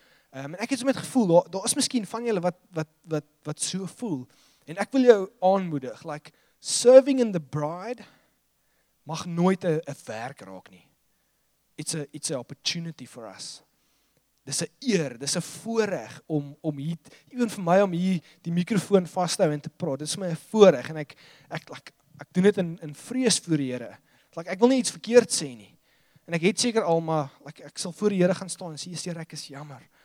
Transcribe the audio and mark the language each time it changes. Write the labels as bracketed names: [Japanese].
[Afrikaans] En ek het so met gevoel, daar is miskien van julle wat so voel. En ek wil jou aanmoedig, like, [English] serving in the bride [Afrikaans] mag nooit 'n werk raak nie. [English] It's a opportunity for us. [Afrikaans] Dis 'n eer, dis 'n voorreg om hier, even vir my om hier die mikrofoon vas te hou en te praat. Dit is my voorreg en ek doen dit in vrees voor die Here. Like, ek wil nie iets verkeerd sê nie. En ek het seker al, maar like, ek sal voor die Here gaan staan en sê, Here, ek is jammer.